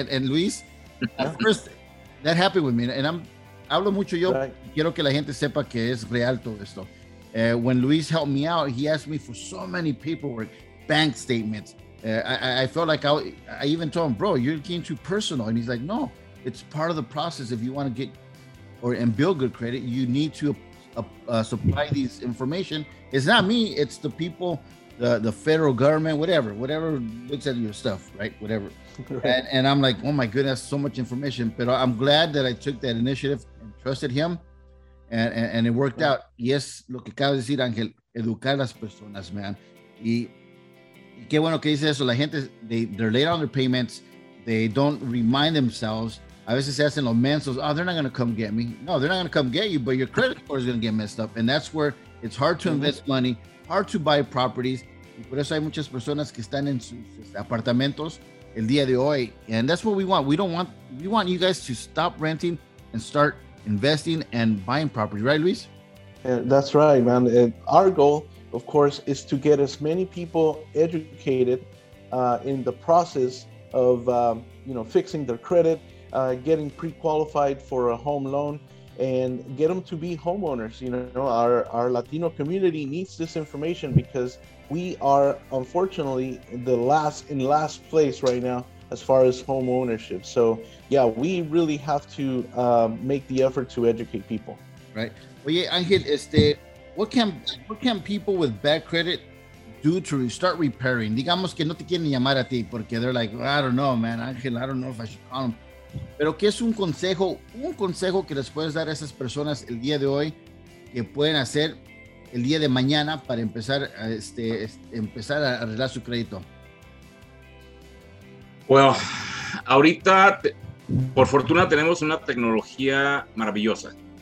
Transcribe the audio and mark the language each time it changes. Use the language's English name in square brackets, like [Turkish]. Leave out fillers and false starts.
[English] And Luis, at first, that happened with me. [Spanish] And hablo mucho yo, right. Quiero que la gente sepa que es real todo esto. [English] When Luis helped me out, he asked me for so many paperwork, bank statements. I felt like I even told him, bro, you're getting too personal. And he's like, no, it's part of the process. If you want to get and build good credit, you need to supply these information. It's not me. It's the people, the federal government, whatever looks at your stuff, right? Whatever. Right. And I'm like, oh my goodness, so much information. But I'm glad that I took that initiative and trusted him and it worked out. [Spanish] Yes, lo que acabas de decir, Ángel, educar las personas, man. Y qué bueno que dice eso. La gente, [English] they're late on their payments. They don't remind themselves. [Spanish] A veces se hacen los mensos. [English] Oh, they're not going to come get me. No, they're not going to come get you, but your credit score is going to get messed up. And that's where it's hard to invest money, hard to buy properties. [Spanish] Y por eso hay muchas personas que están en sus apartamentos el día de hoy. [English] And that's what we want. We want you guys to stop renting and start investing and buying property. Right, Luis? That's right, man. Our goal, of course, is to get as many people educated in the process of, you know, fixing their credit, getting pre-qualified for a home loan, and get them to be homeowners. You know, our Latino community needs this information because we are unfortunately in last place right now as far as home ownership. So yeah, we really have to make the effort to educate people. Right. Well, yeah, Angel, what can people with bad credit do to start repairing? [Spanish] Digamos que no te quieren llamar a ti porque [English] they're like, well, I don't know, man, Angel, I don't know if I should call them. [Spanish] Pero qué es un consejo que les puedes dar a esas personas el día de hoy que pueden hacer el día de mañana para empezar a empezar a arreglar su crédito. Well, ahorita, por fortuna, tenemos una tecnología maravillosa.